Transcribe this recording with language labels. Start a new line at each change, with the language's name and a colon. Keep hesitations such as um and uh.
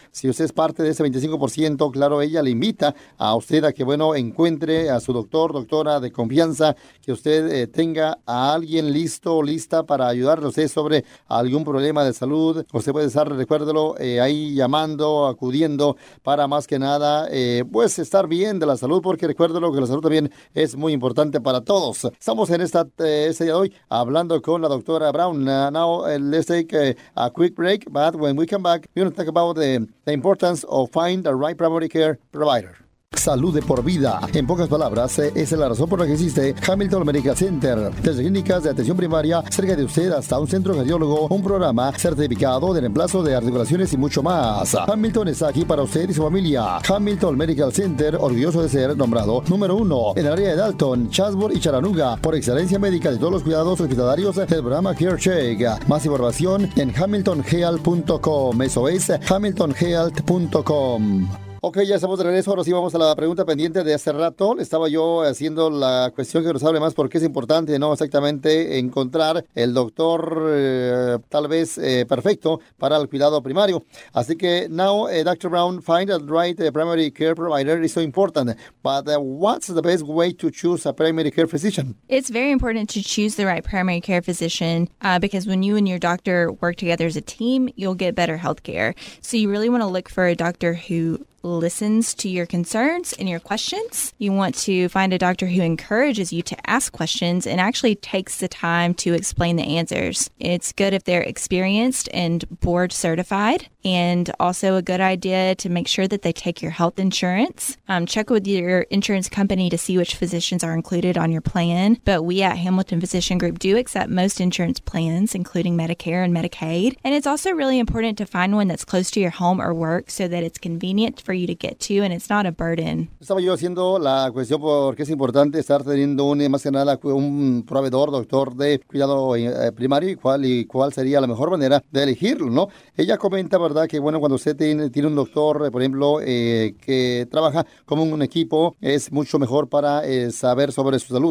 Spanish: Si usted es parte de ese 25%, claro, ella le invita a usted a que, bueno, encuentre a su doctor, doctora de confianza, que usted eh, tenga a alguien listo, lista para ayudarle a usted sobre algún problema de salud. Usted puede estar, recuérdelo, eh, ahí llamando, a acudiendo para más que nada, eh, pues estar bien de la salud, porque recuerdo lo que la salud también es muy importante para todos. Estamos en esta, eh, este día de hoy hablando con la doctora Brown.
English: Uh, now uh, let's take uh, a quick break, but when we come back, we're going to talk about the, the importance of find the right primary care provider.
Spanish: Salud de por vida. En pocas palabras, esa es la razón por la que existe Hamilton Medical Center. Desde clínicas de atención primaria, cerca de usted hasta un centro cardiólogo, un programa certificado de reemplazo de articulaciones y mucho más. Hamilton está aquí para usted y su familia. Hamilton Medical Center, orgulloso de ser nombrado número uno en el área de Dalton, Chatsworth y Charanuga por excelencia médica de todos los cuidados hospitalarios del programa Care Check. Más información en hamiltonhealth.com. Eso es hamiltonhealth.com. Ok, ya estamos de regreso. Ahora sí vamos a la pregunta pendiente de hace rato. Le estaba yo haciendo la cuestión que nos hable más porque es importante, ¿no? Exactamente encontrar el doctor eh, tal vez eh, perfecto para el cuidado primario. Así que
English: now, eh, Dr. Brown, find the right eh, primary care provider is so important. But eh, what's the best way to choose a primary care physician? It's very important to choose the right primary care physician uh, because when you and your doctor work together as a team, you'll get better health care. So you really want to look for a doctor who listens to your concerns and your questions. You want to find a doctor who encourages you to ask questions and actually takes the time to explain the answers. It's good if they're experienced and board certified, and also a good idea to make sure that they take your health insurance. Um, check with your insurance company to see which physicians are included on your plan. But we at Hamilton Physician Group do accept most insurance plans, including Medicare and Medicaid. And it's also really important to find one that's close to your home or work so that it's convenient for you to get to and it's not a burden.
Spanish: Estaba yo haciendo la cuestión porque es importante estar teniendo un, eh, más que nada cu- un proveedor, doctor de cuidado eh, primario y cuál, y cuál sería la mejor manera de elegirlo, ¿no? Ella comenta, ¿verdad? Que bueno, cuando usted tiene, tiene un doctor, eh, por ejemplo, eh, que trabaja como un equipo, es mucho mejor para eh, saber sobre su salud.